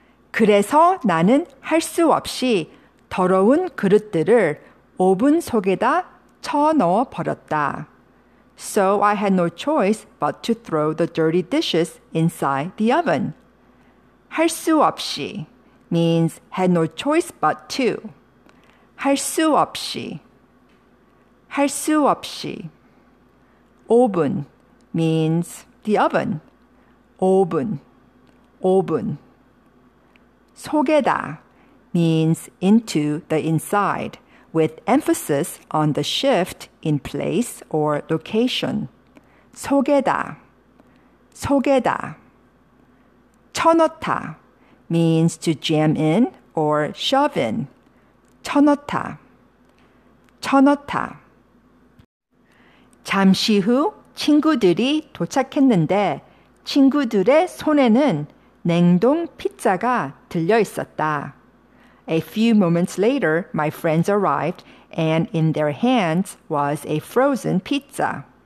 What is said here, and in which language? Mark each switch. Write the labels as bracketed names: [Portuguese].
[Korean] 그래서 나는 할 수 없이 더러운 그릇들을 오븐 속에다 쳐 넣어 버렸다. [English] So I had no choice but to throw the dirty dishes inside the oven. 할 수 없이 means had no choice but to. [Korean] 할 수 없이, 할 수 없이. 오븐 [English] means the oven. [Korean] 오븐, 오븐. [English] 속에다 means into the inside, with emphasis on the shift in place or location. [Korean] 속에다, 속에다. 쳐넣다 [English] means to jam in or shove in. [Korean] 쳐넣다, 쳐넣다. 잠시 후 친구들이 도착했는데 친구들의 손에는 냉동 피자가 들려 있었다. [English] A few moments later, my friends arrived, and in their hands was a frozen pizza.